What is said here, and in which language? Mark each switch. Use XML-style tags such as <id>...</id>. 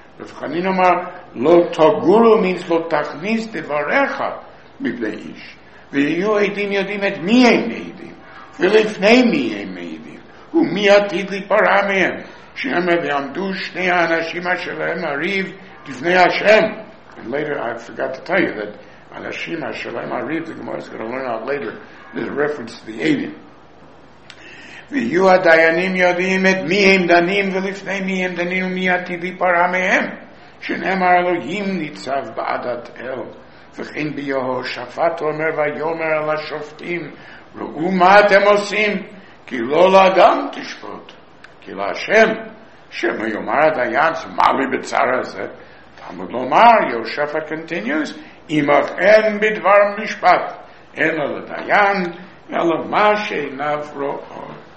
<he>ובחנין אמר, לא תגורו means לא תכניס דבריך מפני איש. ויהיו עדים יודעים את מי הם מעידים, ולפני מי הם מעידים, ומי עתיד להיפרע מהם. שאמר ויעמדו שני האנשים אשר להם הריב לפני השם.</he> <en>And later I forgot to tell you that</en> <he>אנשים אשר להם הריב,</he> <en>the Gemara is going to learn out later, there's a reference to the עדים.</en> <he>ויהיו הדיינים יודעים את מי הם דנים ולפני מי הם דנים ומי עתיד להיפרע מהם שנאמר אלוהים ניצב בעדת אל וכן ביהושפט אומר ויאמר על השופטים ראו מה אתם עושים כי לא לאדם תשפוט כי להשם שמה יאמר הדיין מה לי בצער הזה תעמוד לומר יהושפט continues אם אכן בדבר משפט אין על הדיין אלא מה שאינב רואות</he>